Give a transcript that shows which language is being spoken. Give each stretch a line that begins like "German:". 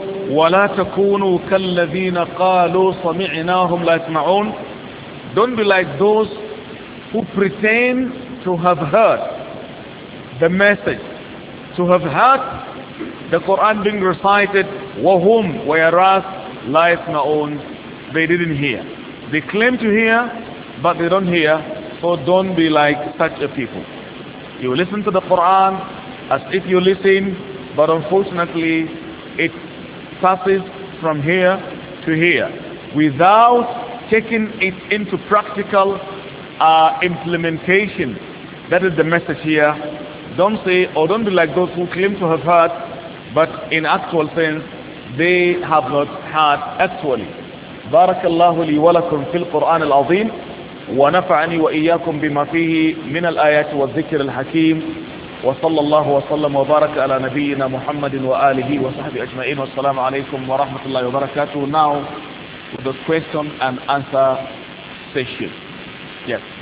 Arabic: ولا تكونوا كالذين قالوا سمعناهم لا يسمعون.
English: Don't be like those who pretend to have heard the message, to have heard the Quran being recited,
Arabic: وهم ويراس لا يسمعون.
English: They didn't hear. They claim to hear, but they don't hear. So don't be like such a people. You listen to the Quran as if you listen, but unfortunately it passes from here to here without taking it into practical implementation. That is the message here. Don't say, or don't be like those who claim to have heard, but in actual sense they have not heard actually.
Arabic: بارك الله لي ولكم في القرآن العظيم ونفعني وإياكم بما فيه من الآيات والذكر الحكيم. وصلى الله وسلم وبارك على نبينا محمد وآله وصحبه أجمعين. والسلام عليكم ورحمة الله وبركاته.
English: Now with the question and answer session. Yes.